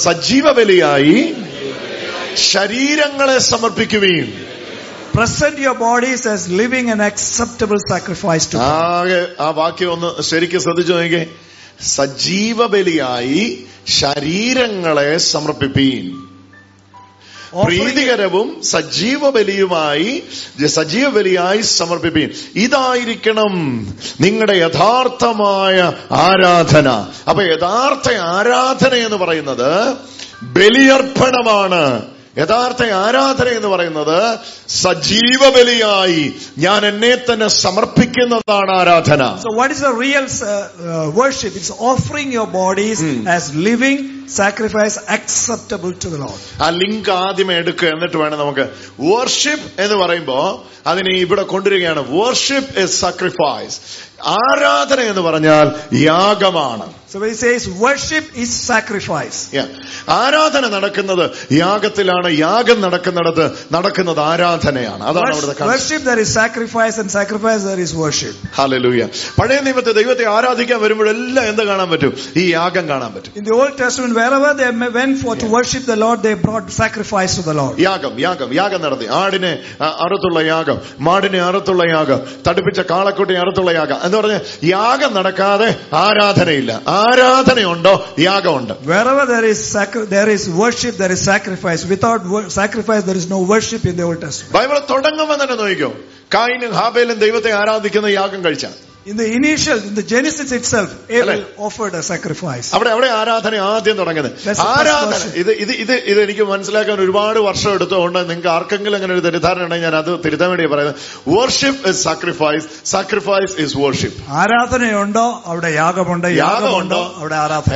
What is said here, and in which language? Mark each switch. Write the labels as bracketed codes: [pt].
[ml] സജീവ ബലിയായി ശരീരങ്ങളെ സമർപ്പിക്കുവീൻ. [en] Present your bodies as living and acceptable sacrifice to God. [ml] ആ വാക്യം ഒന്ന് ശരിക്ക് ശ്രദ്ധിച്ചു നോക്കി. സജീവ ബലിയായി ശരീരങ്ങളെ സമർപ്പിപ്പീൻ. പ്രീതികരവും സജീവ ബലിയുമായി സജീവ ബലിയായി സമർപ്പിപ്പീൻ. ഇതായിരിക്കണം നിങ്ങളുടെ യഥാർത്ഥമായ ആരാധന. അപ്പൊ യഥാർത്ഥ ആരാധന എന്ന് പറയുന്നത് ബലിയർപ്പണമാണ്. യഥാർത്ഥ ആരാധന എന്ന് പറയുന്നത് സജീവ ബലിയായി ഞാൻ എന്നെ തന്നെ സമർപ്പിക്കുന്നതാണ് ആരാധന. [en] So what is the real worship? It's offering your bodies as living sacrifice acceptable to the Lord. [ml] ആ ലിങ്ക് ആദ്യമേ എടുക്കുക, എന്നിട്ട് വേണം നമുക്ക് വർഷിപ്പ് എന്ന് പറയുമ്പോ അതിനെ ഇവിടെ കൊണ്ടുവരികയാണ്. [en] Worship is sacrifice. [ml] ആരാധന എന്ന് പറഞ്ഞാൽ യാഗമാണ്. [en] So he says worship is sacrifice. [ml] Yeah. ആരാധന നടക്കുന്നത് യാഗത്തിലാണ്. യാഗം നടക്കുന്നിടത്ത് നടക്കുന്നത് ആരാധനയാണ്. അതാണ് അവിടുത്തെ. [en] Worship there is sacrifice and sacrifice there is worship. Hallelujah. [ml] പഴയ നിയമത്തിൽ ദൈവത്തെ ആരാധിക്കാൻ വരുമ്പോഴെല്ലാം എന്ത് കാണാൻ പറ്റും? ഈ യാഗം കാണാൻ പറ്റും. [en] In the Old Testament wherever they went for to worship the Lord they brought sacrifice to the Lord. [ml] യാഗം യാഗം യാഗം നടത്തി. ആടിനെ അറുത്തുള്ള യാഗം, മാടിനെ അറുത്തുള്ള യാഗം, തടിപ്പിച്ച കാളക്കുട്ടിയെ അറുത്തുള്ള യാഗം എന്ന് പറഞ്ഞ യാഗം നടക്കാതെ ആരാധനയില്ല. ആരാധനയുണ്ടോ യാഗമുണ്ട്. [en] Wherever there is worship there is sacrifice. Without sacrifice there is no worship in the Old Testament. [ml] Bible തുടങ്ങുമ്പോൾ തന്നെ നോക്കിയോ, കായിനും ഹാബേലും ദൈവത്തെ ആരാധിക്കുന്ന യാഗം കഴിച്ച. [en] In the Genesis itself Abel offered a sacrifice. [ml] അവിടെ അവിടെ ആരാധന ആദ്യം തുടങ്ങുന്നത് ആരാധന. ഇത് എനിക്ക് മനസ്സിലാക്കാൻ ഒരുപാട് വർഷം എടുത്തുകൊണ്ട് നിങ്ങൾക്ക് ആർക്കെങ്കിലും അങ്ങനെ ഒരു തെറ്റിദ്ധാരണ ഉണ്ടെങ്കിൽ ഞാൻ അത് തിരുത്താൻ വേണ്ടി പറയുന്നത്. [en] Worship is sacrifice, sacrifice is worship. [ml] ആരാധനയുണ്ടോ അവിടെ യാഗമുണ്ട്, യാഗമുണ്ടോ അവിടെ ആരാധന.